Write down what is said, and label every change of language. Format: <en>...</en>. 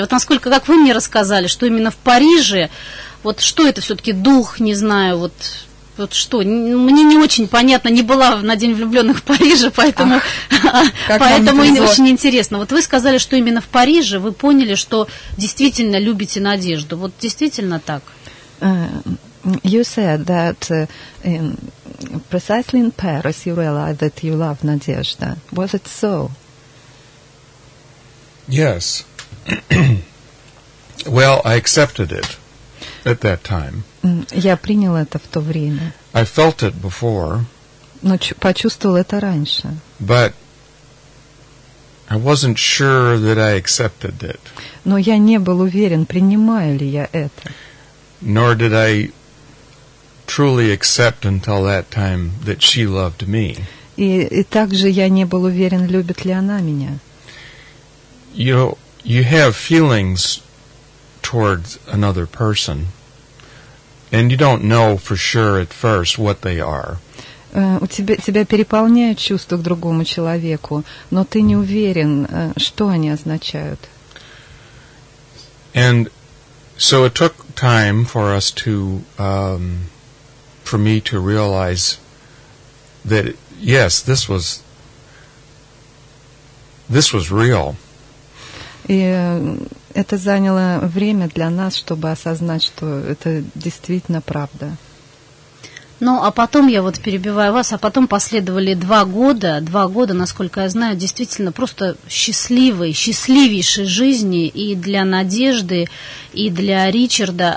<ru>Вот насколько, как вы мне рассказали, что именно в Париже, вот что это все-таки дух, не знаю, вот... Вот что, мне не очень понятно, не была на День влюбленных в Париже, поэтому, поэтому очень интересно. Вот вы сказали, что именно в Париже вы поняли, что действительно любите Надежду. Вот действительно так?</ru> <en>You said that precisely in Paris you realized that you love Надежда. Was it so? Yes. Well, I accepted it at that time.</en> <ru>Я принял это в то время.</ru> <en>I felt it before.</en> <ru>Но почувствовал это раньше.</ru> <en>But I wasn't sure that I accepted it.</en> <ru>Но я не был уверен, принимаю ли я это.</ru> <en>Nor did I truly accept until that time that she loved me.</en> <ru>И также я не был уверен, любит ли она меня.</ru> <en>You have feelings towards another person, and you don't know for sure at first what they are.</en> <ru>Тебя переполняют чувства к другому человеку, но ты не уверен, что они означают.</ru> <en>And so it took time for us to, for me to realize that yes, this was real.</en> <ru>И это заняло время для нас, чтобы осознать, что это действительно правда. Ну, а потом, я вот перебиваю вас, а потом последовали два года, насколько я знаю, действительно просто счастливой, счастливейшей жизни и для Надежды, и для Ричарда.</ru>